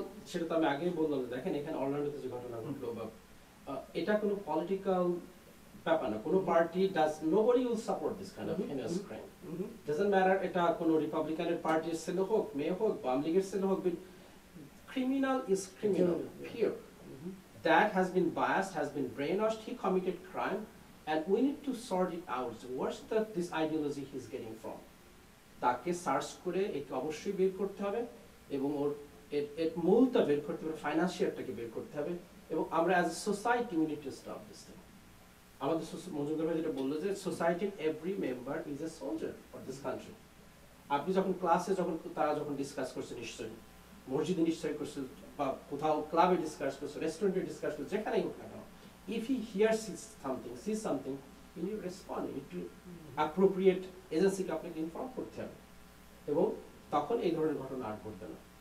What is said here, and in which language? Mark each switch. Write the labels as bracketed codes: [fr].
[bn] সেটা তো আমি আগেই বললাম দেখেন এখানে অরল্যান্ডোতে যে ঘটনা ঘটলো বা এটা কোনো পলিটিক্যাল ব্যাপার না কোনো party does [en] nobody will support this kind of heinous crime doesn't matter [bn] এটা কোনো রিপাবলিকানের পার্টির ছেলে হোক মেয়ে হোক বা আমলিগের ছেলে হোক [en] Criminal is criminal period That has been biased, has been brainwashed, he committed crime, and we need to sort it out. So what's this ideology he's getting from? [bn] তাকে সার্চ করে একে অবশ্যই বের করতে হবে এবং ওর এর মূলটা বের করতে হবে ফাইন্যান্সিয়ারটাকে বের করতে হবে এবং আমরা [en] as a society we need to stop this thing [bn] আমাদের মজুমদার ভাই যেটা বললো যে সোসাইটির every member [en] is a soldier for this country [bn] আপনি যখন ক্লাসে যখন তারা যখন ডিসকাস করছে নিশ্চয়ই মসজিদে নিশ্চয়ই করছে বা কোথাও ক্লাবে ডিসকাস করছে রেস্টুরেন্টে ডিসকাস করছে যেখানেই হোক না [en] if he hear sees something you need respond you to appropriate [bn] এজেন্সিকে আপনাকে ইনফর্ম করতে হবে এবং তখন এই ধরনের ঘটনা আর ঘটবে না